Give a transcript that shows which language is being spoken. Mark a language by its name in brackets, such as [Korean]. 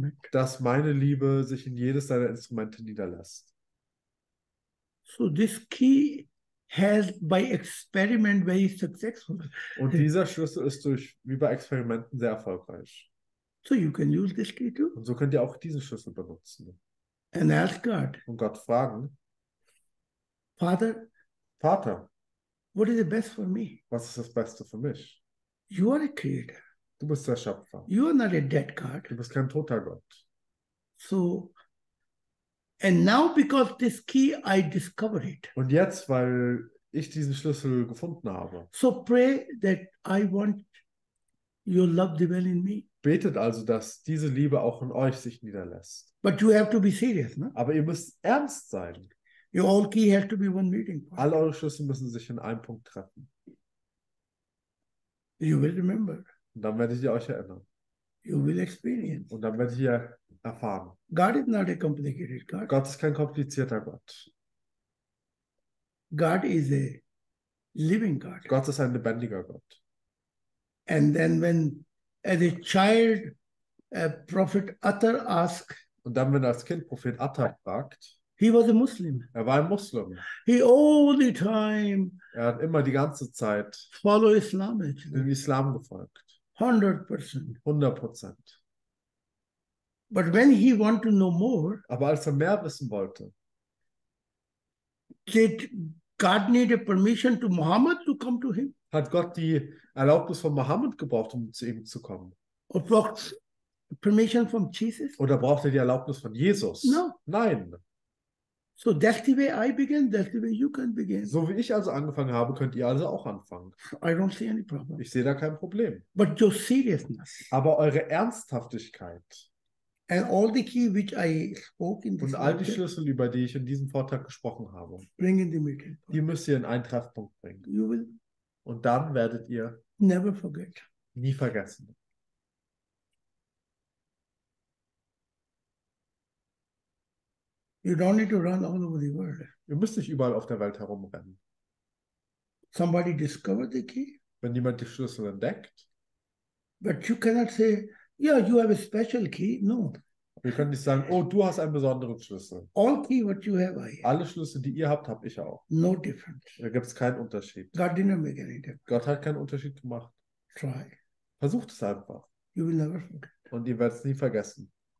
[German] Dass meine Liebe sich in jedes deiner Instrumente niederlässt. [English] So this key has by experiment very successful. [German] Und dieser Schlüssel ist durch wie bei Experimenten sehr erfolgreich. [English] So you can use this key too. [German] Und so könnt ihr auch diesen Schlüssel benutzen. [English] And ask God. [German] Und Gott fragen. [English] Father. [German] Vater. [English] What is the best for me? [German] Was ist das Beste für mich? [English] You are a creator. [German] Du bist der Schöpfer. [English] You are not a dead God. [German] Du bist kein toter Gott. [English] So. And now because this key I discovered it. [German] Und jetzt, weil ich diesen Schlüssel gefunden habe. [English] So pray that I want your love dwell in me. [German] Betet also, dass diese Liebe auch in euch sich niederlässt. [English] But you have to be serious, ne? [German] Aber ihr müsst ernst sein. [English] Your all key has to be one meeting. [German] Alle eure Schlüssel müssen sich in einem Punkt treffen. [English] You will remember. [German] Und dann werdet ihr euch erinnern. [English] You will experience. [German] Und dann werdet ihr erfahren. [English] God is not a complicated God. [German] Gott ist kein komplizierter Gott. [English] God is a living God. [German] Gott ist ein lebendiger Gott. [English] And then when, as a child, Prophet Attar asked, [German] und dann wenn als Kind Prophet Attar fragt, [English] he was a Muslim. [German] Er war ein Muslim. [English] He all the time. [German] Er hat immer die ganze Zeit [English] follow Islam. [German] Dem Islam gefolgt. [English] 100%. [German] 100%. [English] But when he wanted to know more, [German] aber als er mehr wissen wollte, [English] did God need a permission to Muhammad to come to him? [German] Hat Gott die Erlaubnis von Muhammad gebraucht, um zu ihm zu kommen? [English] Or braucht permission from Jesus? [German] Oder braucht er die Erlaubnis von Jesus? [English] No. [German] Nein. [English] So that's the way I begin, that's the way you can begin. [German] So wie ich also angefangen habe, könnt ihr also auch anfangen. [English] I don't see any problem. [German] Ich sehe da kein Problem. [English] But your seriousness. [German] Aber eure Ernsthaftigkeit. [English] And all the key which I spoke in this [German] und all die Schlüssel, über die ich in diesem Vortrag gesprochen habe, [English] bring in the meeting. [German] Die müsst ihr in einen Treffpunkt bringen. [English] You will [German] und dann werdet ihr [English] never forget. [German] Nie vergessen. [English] You don't need to run all over the world. [German] Ihr müsst nicht überall auf der Welt herumrennen. [English] Somebody discovered the key. [German] Wenn jemand die Schlüssel entdeckt. [English] But you cannot say, yeah, you have a special key. No. [German] Wir können nicht sagen, oh, du hast einen besonderen Schlüssel. [English] All key what you have, I have. [German] Alle Schlüssel, die ihr habt, habe ich auch. [English] No difference. [German] Da gibt es keinen Unterschied. [English] God didn't make any difference. [German] Gott hat keinen Unterschied gemacht. [English] Try. [German] Versucht es einfach. [English] You will never forget. [German] Und ihr werdet es nie vergessen.